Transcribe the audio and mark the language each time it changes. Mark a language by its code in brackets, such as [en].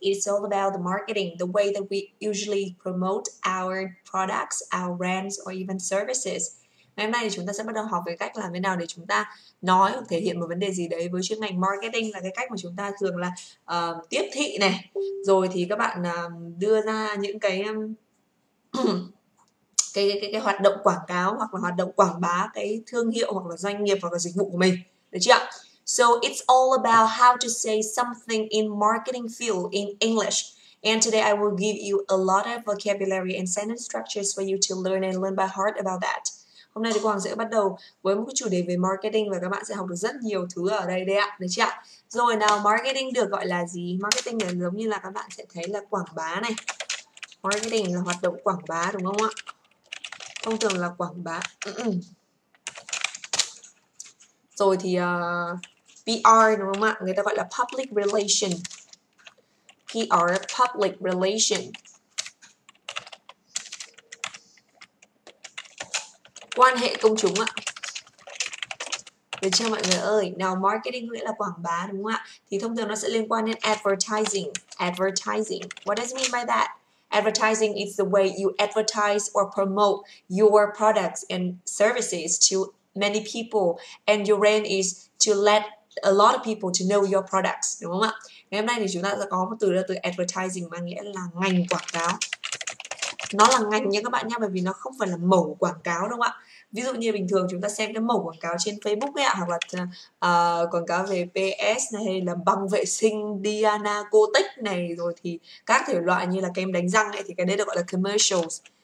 [en] It's all about the marketing, the way that we usually promote our products, our brands, or even services. [vi] Ngày hôm nay thì chúng ta sẽ bắt đầu học về cách làm thế nào để chúng ta nói hoặc thể hiện một vấn đề gì đấy với chuyên ngành marketing, là cái cách mà chúng ta thường là tiếp thị này, rồi thì các bạn đưa ra những cái cái hoạt động quảng cáo hoặc là hoạt động quảng bá cái thương hiệu hoặc là doanh nghiệp hoặc là dịch vụ của mình, được chưa ạ? [en] So it's all about how to say something in marketing field in English. And today I will give you a lot of vocabulary and sentence structures for you to learn and learn by heart about that. [vi] Hôm nay thì cô Hằng sẽ bắt đầu với một chủ đề về marketing và các bạn sẽ học được rất nhiều thứ ở đây đấy ạ, được chưa ạ? Rồi nào, marketing được gọi là gì? Marketing là giống như là các bạn sẽ thấy là quảng bá này. Marketing là hoạt động quảng bá đúng không ạ? Thông thường là quảng bá. Rồi thì PR đúng không ạ? Người ta gọi là public relation. [en] PR, public relation. [vi] Quan hệ công chúng ạ. Được chưa mọi người ơi? Now marketing nghĩa là quảng bá đúng không ạ? Thì thông thường nó sẽ liên quan đến advertising. [en] Advertising. What does it mean by that? Advertising is the way you advertise or promote your products and services to many people, and your aim is to let a lot of people to know your products, [vi] đúng không ạ? Ngày hôm nay thì chúng ta sẽ có một từ, là từ advertising, mà nghĩa là ngành quảng cáo. Nó là ngành nha các bạn nha, bởi vì nó không phải là mẫu quảng cáo đúng không ạ? Ví dụ như bình thường chúng ta xem cái mẫu quảng cáo trên Facebook ấy ạ, hoặc là quảng cáo về PS này, hay là băng vệ sinh Diana Cotic này, rồi thì các thể loại như là kem đánh răng ấy, thì cái đấy được gọi là commercials.